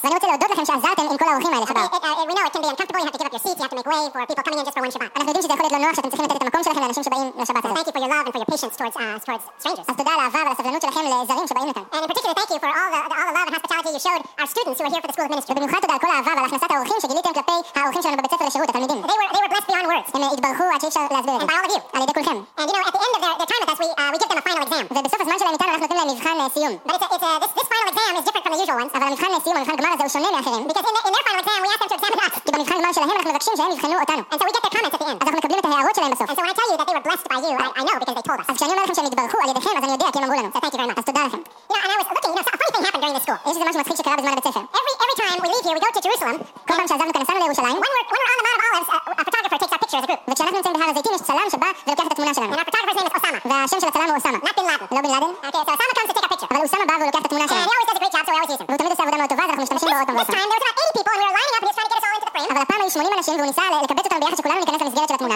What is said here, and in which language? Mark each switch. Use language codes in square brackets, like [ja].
[he] ואני רוצה להודות לכם שעזרתם עם כל האורחים האלה שבאו. [en] We know it can be uncomfortable. You have to give up your seat. You have to make way for people coming in just for one Shabbat. [he] אנחנו יודעים שזה יכול להיות לא נוח שאתם צריכים לתת את המקום שלכם לאנשים שבאים לשבת הזה. [en] Thank you for your love and for your patience towards strangers. [he] אז תודה על האהבה ועל הסבלנות שלכם לזרים שבאים לכאן. [en] And in particular, thank you for all the love and hospitality you showed our students who are here for the School of Ministry. [he] ובמיוחד תודה על כל האהבה ועל הכנסת האורחים שגיליתם כלפי האורחים שלנו בבית ספר לשירות, התלמידים. [en] They were blessed beyond words. [he] הם התברכו עד שאי אפשר להסביר את זה. [en] And by all of you. [he] על ידי כולכם. [en] And you know, at the end of their time with us, we give them a final exam. [he] ובסוף הזמן שלהם איתנו אנחנו נותנים להם מבחן סיום. [en] But this final exam is different from the usual ones. [he] אבל המבחן לסיום, המבחן גמר הזה, הוא שונה מאחרים. [en] Because in their final exam, we ask them to examine us. [he] כי במבחן גמר שלהם אנחנו מבקשים שהם יבחנו אותנו. [en] And so we get their comments at the end. [he] אז אנחנו מקבלים את ההערות שלהם בסוף. [en] And so when I tell you that they were blessed by you, I know because they told us. [he] אז כשאני אומר לכם שהם התברכו על ידיכם, אז אני יודע כי הם אמרו לנו. [en] So thank you very much. [he] אז תודה לכם. [en] You know, and I was looking, you know, a funny thing happened during the school. [he] יש איזה משהו מצחיק שקרה בזמן הבית ספר. [en] Every time we leave here, we go to Jerusalem. [he] כל פעם שעזבנו כאן, נסענו לירושלים. [en] When we're on the Mount of Olives, a photographer takes our picture as a group. [he] וכשאנחנו נמצאים בהר הזיתים, יש צלם שבא ולוקח את התמונה שלנו. [en] And our photographer's name is Osama. [he] והשם של הצלם הוא Osama. [en] Not Bin Laden. [he] לא Bin Laden. [en] Okay, so Osama comes to take our picture. [he] אבל Osama בא ולוקח את התמונה שלנו. [en] And he always does a great job, so we always use him. [he] והוא תמיד עושה עבודה מאוד טובה, אז אנחנו משתמשים בו עוד פעם. [en] This time there was about 80 people and we were lining up and he was trying to get us all into the frame. [he] אבל הפעם היו 80 אנשים והוא ניסה לקבץ אותם ביחד שכולנו ניכנס למסגרת של התמונה.